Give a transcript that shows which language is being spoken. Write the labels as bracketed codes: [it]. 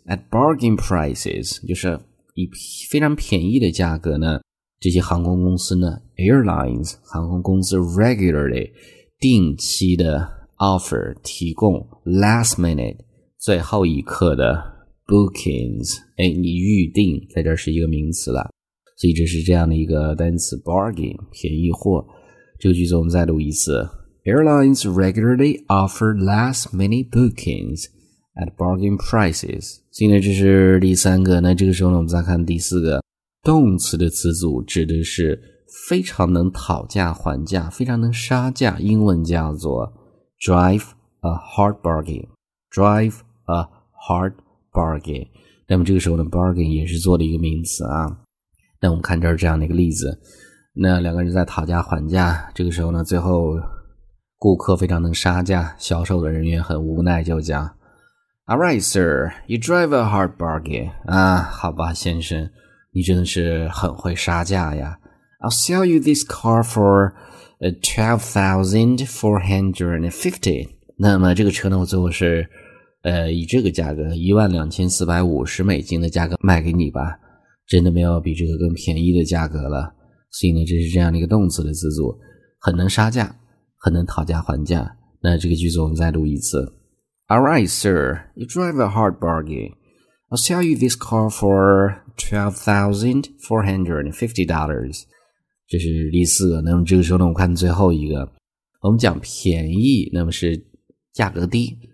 [zh] At bargain prices 就是以非常便宜的价格呢，这些航空公司呢 ,airlines, 航空公司 regularly, 定期的 offer, 提供 last minute, 最后一刻的 bookings, 诶你预定，在这是一个名词了。所以这是这样的一个单词 bargain, 便宜货。这个句子我们再读一次。 [en] Airlines regularly offer last minute bookings at bargain prices. [zh] 所以这是第三个，那这个时候呢我们再看第四个。动词的词组指的是非常能讨价还价，非常能杀价，英文叫做 drive a hard bargain, drive a hard bargain。那么这个时候呢 bargain 也是做的一个名词啊。那我们看这儿这样的一个例子，那两个人在讨价还价，这个时候呢最后顾客非常能杀价，销售的人员很无奈就讲 [en] Alright sir, you drive a hard bargain [zh] 啊，好吧先生，你真的是很会杀价呀。 [en] I'll sell you this car for $12,450. [zh] 那么这个车呢我最后是以这个价格12450美金的价格卖给你吧。真的没有比这个更便宜的价格了。所以呢这是这样的一个动词的词组。很能杀价，很能讨价还价。那这个句子我们再读一次。 [en] Alright, sir, you drive a hard bargain. I'll sell you this car for $12,450. [zh] 这是第四个。那么这个时候呢，我看最后一个，我们讲便宜，那么是价格低。